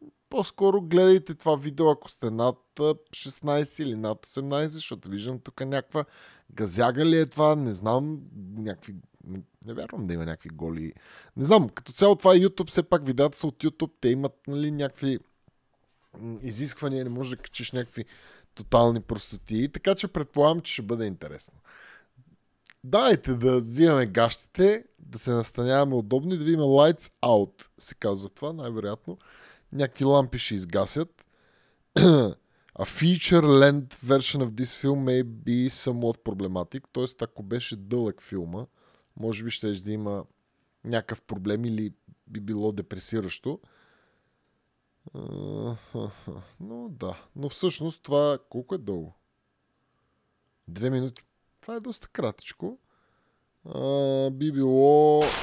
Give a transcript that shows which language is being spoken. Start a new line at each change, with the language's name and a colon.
Bulgarian: По-скоро гледайте това видео, ако сте над 16 или над 18, защото виждам тук някаква газяга ли е това, не знам, някакви, не вярвам да има някакви голи, не знам, като цяло това е YouTube, все пак видеята са от YouTube, те имат, нали, някакви изисквания, не можеш да качиш някакви тотални простоти, така че предполагам, че ще бъде интересно. Дайте да взимаме гащите, да се настаняваме удобно и да видим lights out, се казва това, най-вероятно. Някакви лампи ще изгасят.
English: A feature-length version of this film may be somewhat problematic.
Bulgarian: Тоест, ако беше дълъг филма, може би ще да има някакъв проблем или би било депресиращо. Но да. Но всъщност това колко е дълго? 2 минути. Това е доста кратичко. Би било...